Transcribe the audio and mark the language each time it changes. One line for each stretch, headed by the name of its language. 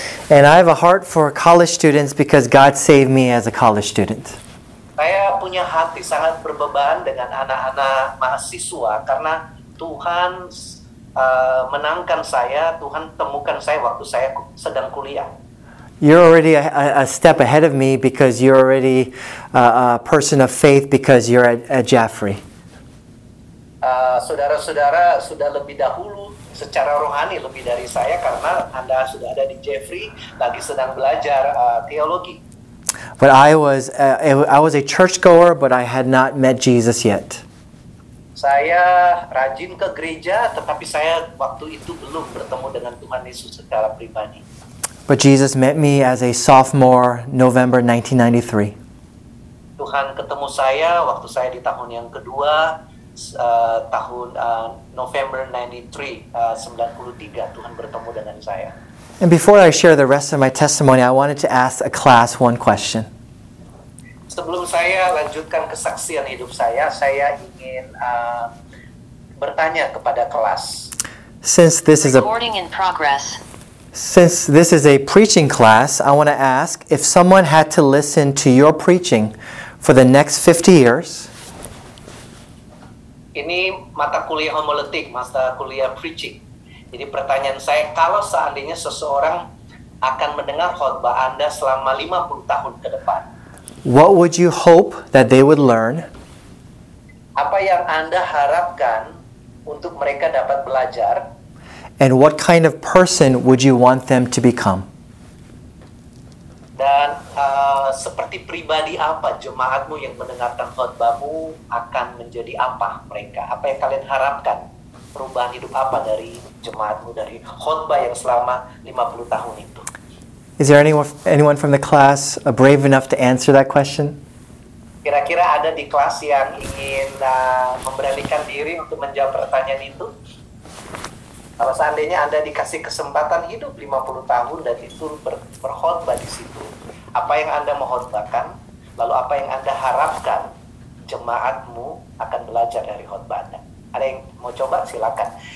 English: And I have a heart for college students because God saved me as a college student.
Indonesian: Saya punya hati sangat berbeban dengan anak-anak mahasiswa karena Tuhan menangkan saya, Tuhan temukan saya waktu saya sedang kuliah.
English: You're already a step ahead of me because you're already a person of faith because you're at Jaffrey.
Indonesian: Saudara-saudara sudah lebih dahulu secara rohani lebih dari saya karena Anda sudah ada di Jaffrey lagi sedang belajar teologi.
English: But I was a churchgoer, but I had not met Jesus yet.
Indonesian: Saya rajin ke gereja, tetapi saya waktu itu belum bertemu dengan Tuhan Yesus secara pribadi.
English: But Jesus met me as a sophomore, November 1993.
Indonesian: Tuhan ketemu saya waktu saya di tahun yang kedua, tahun November 93, 93, Tuhan bertemu dengan saya.
English: And before I share the rest of my testimony, I wanted to ask a class one question.
Indonesian: Sebelum saya lanjutkan kesaksian hidup saya ingin bertanya kepada kelas.
English: Since this is a recording in progress. Since this is a preaching class, I want to ask if someone had to listen to your preaching for the next 50 years.
Indonesian: Ini mata kuliah homiletik, mata kuliah preaching. Jadi pertanyaan saya, kalau seandainya seseorang akan mendengar khotbah Anda selama 50 tahun ke depan,
English: what would you hope that they would learn?
Indonesian: Apa yang Anda harapkan untuk mereka dapat belajar?
English: And what kind of person would you want them to become?
Indonesian: Dan seperti pribadi apa jemaatmu yang mendengarkan khotbahmu akan menjadi apa mereka? Apa yang kalian harapkan? Perubahan hidup apa dari jemaatmu dari khotbah yang selama 50 tahun itu?
English: Is there anyone from the class brave enough to answer that question?
Indonesian: Kira-kira ada di kelas yang ingin memberanikan diri untuk menjawab pertanyaan itu? Kalau seandainya Anda dikasih kesempatan hidup 50 tahun dan itu berkhotbah di situ, apa yang Anda mengkhotbahkan, lalu apa yang Anda harapkan jemaatmu akan belajar dari khotbah Anda? Ada yang mau coba? Silakan.